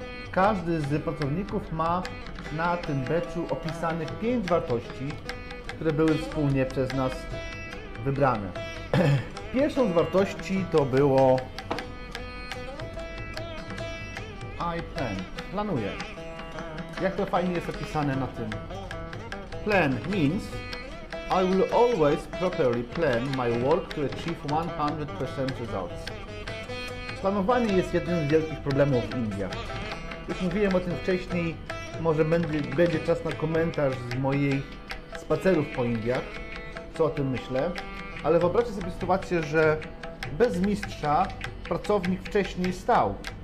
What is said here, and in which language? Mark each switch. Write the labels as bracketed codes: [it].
[pl] Każdy z pracowników ma na tym beczu opisanych 5 wartości, które były wspólnie przez nas wybrane. Pierwszą z wartości to było [en] I plan. [pl] Planuję. jak to fajnie jest opisane na tym. [en] Plan means I will always properly plan my work to achieve 100% results. [pl] Planowanie jest jednym z wielkich problemów w Indiach. Już mówiłem o tym wcześniej, może będzie czas na komentarz z moich spacerów po Indiach, co o tym myślę, ale wyobraźcie sobie sytuację, że bez mistrza pracownik wcześniej stał.